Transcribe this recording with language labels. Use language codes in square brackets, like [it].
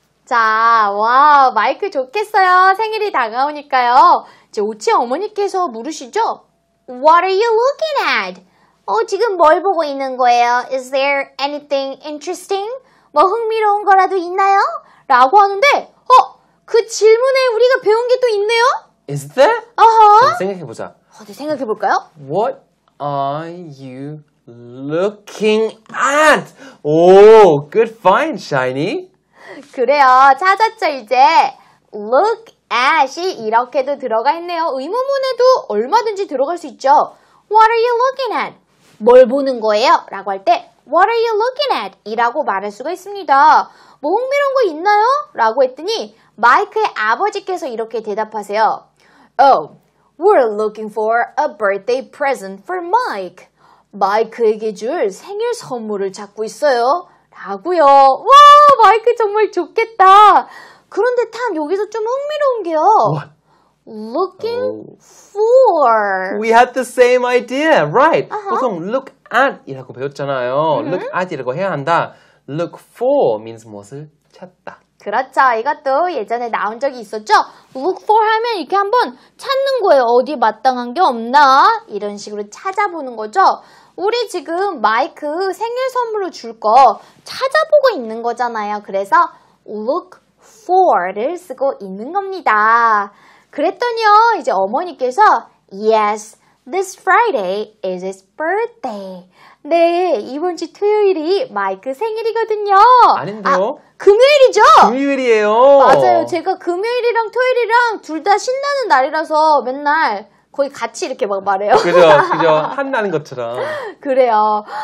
[ko] Wow, 마이크 좋겠어요. 생일이 다가오니까요. 이제 오치 어머니께서 물으시죠. [en] What are you looking at? [ko] 지금 뭘 보고 있는 거예요? [en] Is there anything interesting? [ko] 뭐 흥미로운 거라도 있나요? 라고 하는데, 그 질문에 우리가 배운 게 또 있네요. [en] Is there? [ko] 생각해보자. 네, 생각해볼까요? [en] What are you looking at? Good find, Shiny. [ko] 그래요. 찾았죠, 이제. Look at이 이렇게도 들어가 있네요. 의문문에도 얼마든지 들어갈 수 있죠. [en] What are you looking at? [ko] 뭘 보는 거예요? 라고 할 때 [en] What are you looking at? [ko] 이라고 말할 수가 있습니다. 뭐 흥미로운 거 있나요? 라고 했더니 마이크의 아버지께서 이렇게 대답하세요. [en] Oh, we're looking for a birthday present for Mike. [ko] 마이크에게 줄 생일 선물을 찾고 있어요. 하고요. 와, 마이크 정말 좋겠다. 그런데 탐, 여기서 좀 흥미로운 게요. [en] Looking for. We had the same idea, right? [ko] 보통 look at 이라고 배웠잖아요. Look at 이라고 해야 한다. [en] Look for means [ko] 무엇을 찾다. 그렇죠. 이것도 예전에 나온 적이 있었죠? Look for 하면 이렇게 한번 찾는 거예요. 어디 마땅한 게 없나? 이런 식으로 찾아보는 거죠. 우리 지금 마이크 생일 선물로 줄 거 찾아보고 있는 거잖아요. 그래서 look for를 쓰고 있는 겁니다. 그랬더니요, 이제 어머니께서 [en] Yes, this Friday is his birthday. [ko] 네, 이번 주 토요일이 마이크 생일이거든요. 아닌데요. 금요일이죠? 금요일이에요. 맞아요. 제가 금요일이랑 토요일이랑 둘 다 신나는 날이라서 맨날 거의 같이 이렇게 막 말해요. 그죠. 한나는 것처럼. 그래요.